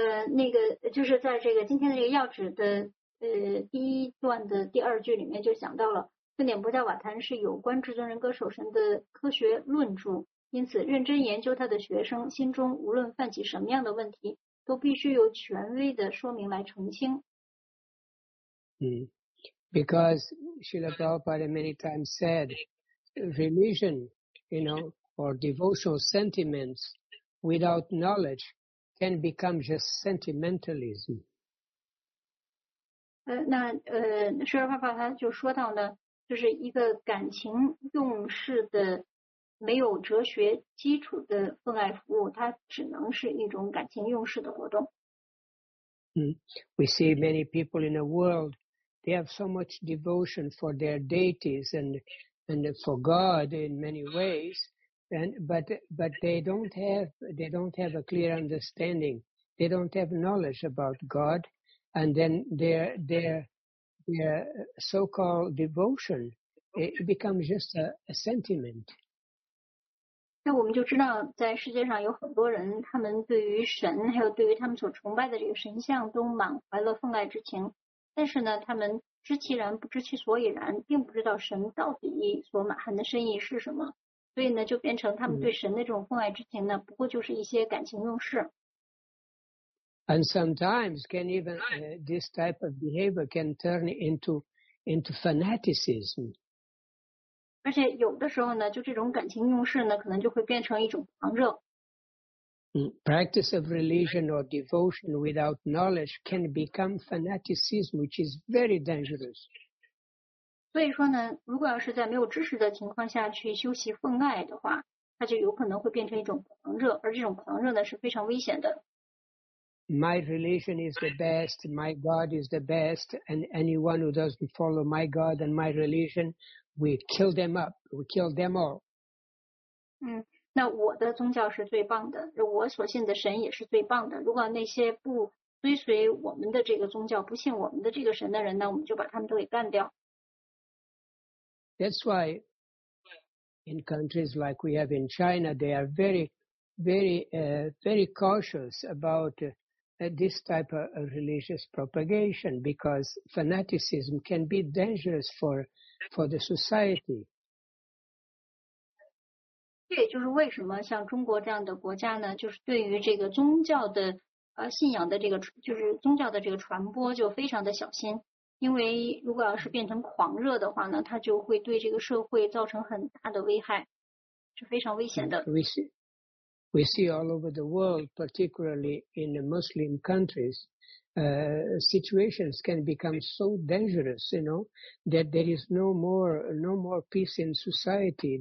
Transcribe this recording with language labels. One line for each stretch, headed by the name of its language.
Chinese: 那个就是在这个今天的这个要旨的第一段的第二句里面就讲到了，圣典薄伽瓦坛是有关至尊人格守神的科学论著，因此认真研究他的学生心中无论泛起什么样的问题，都必须由权威的说明来澄清。
English: Because Srila Prabhupada many times said, religion, you know, or devotional sentiments without knowledge. Can become just sentimentalism.
Chinese: 那舍尔帕帕他就说到呢，就是一个感情用事的、没有哲学基础的奉爱服务，它只能是一种感情用事的活动。
English: We see many people in the world, they have so much devotion for their deities and for God in many ways. But they don't have a clear understanding. They don't have knowledge about God, and then their so-called devotion it becomes just a sentiment.
Chinese: 那我们就知道，在世界上有很多人，他们对于神，还有对于他们所崇拜的这个神像，都满怀了奉爱之情。但是呢，他们知其然不知其所以然，并不知道神到底所满含的深意是什么。所以呢，就变成他们对神的这种奉爱之情呢，不过就是一些感情用事。
English: And sometimes can even this type of behavior can turn into fanaticism.
Chinese: 而且有的时候呢，就这种感情用事呢，可能就会变成一种狂热。
English: Practice of religion or devotion without knowledge can become fanaticism, which is very dangerous.
Chinese: 所以说呢，如果要是在没有知识的情况下去修习奉爱的话，它就有可能会变成一种狂热，而这种狂热呢是非常危险的。
English: My religion is the best, my God is the best, and anyone who doesn't follow my God and my religion, we kill them up, we kill them all.
Chinese: 那我的宗教是最棒的，我所信的神也是最棒的。如果那些不追随我们的这个宗教，不信我们的这个神的人呢，我们就把他们都给干掉。
English: That's why in countries like we have in China, they are very, very, very cautious about this type of religious propagation, because fanaticism can be dangerous for the society.
Chinese: 这也就是为什么像中国这样的国家呢，就是对于这个宗教的信仰的这个就是宗教的这个传播就非常的小心，因为如果要是变成狂热的话呢，它就会对这个社会造成很大的危害，是非常危险的。
English: We see all over the world, particularly in the Muslim countries, situations can become so dangerous, you know, that there is no more peace in society.